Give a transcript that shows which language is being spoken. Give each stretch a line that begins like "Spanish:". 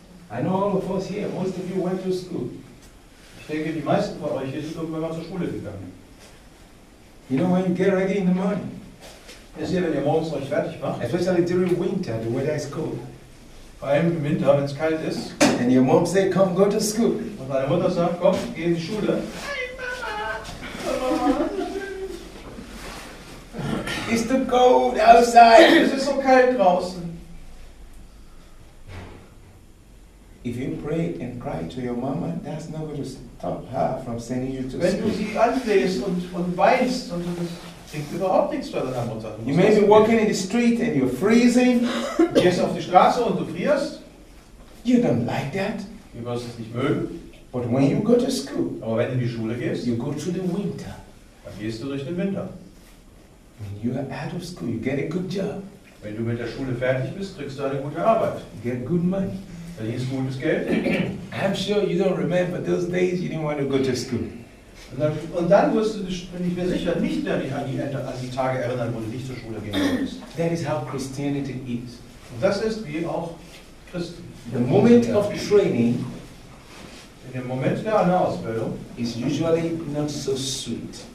English: I know all of us here, most of you went to school.
German: Ich denke, die meisten von euch sind irgendwann mal zur Schule gegangen.
English: You know, when you get ready in the morning.
German: Ihr seht, wenn ihr morgens euch fertig macht.
English: Especially during winter, the weather is cold.
German: Vor allem im Winter, wenn es kalt ist.
English: And your mom say, come, go to school.
German: Und deine Mutter sagt, komm, geh in die Schule.
English: Hey, Mama! It's too cold outside.
German: Es ist so kalt draußen.
English: If you pray and cry to your mama, that's not going to stop her from sending you to
German: wenn Wenn du sie anflehst und weißt und das kriegt überhaupt nichts bei deiner Mutter.
English: You may be walking in the street and you're freezing.
German: Du gehst auf die Straße und du frierst.
English: You don't like that.
German: Du wirst es nicht mögen.
English: But when you go to school,
German: aber wenn du in die Schule gehst,
English: you go to the winter.
German: Dann gehst du durch den Winter.
English: When you are out of school, you get a good job.
German: Wenn du mit der Schule fertig bist, kriegst du eine gute Arbeit.
English: You get good money.
German: Dann verdienst du gutes Geld.
English: I'm sure you don't remember those days you didn't want to go to school.
German: Und dann wirst du dich, bin ich mir sicher, nicht mehr an die Tage erinnern, wo du nicht zur Schule gehen wolltest.
English: That is how Christianity is.
German: Und das ist wie auch Christen.
English: The moment of training,
German: in dem Moment der Ausbildung,
English: is usually not so sweet.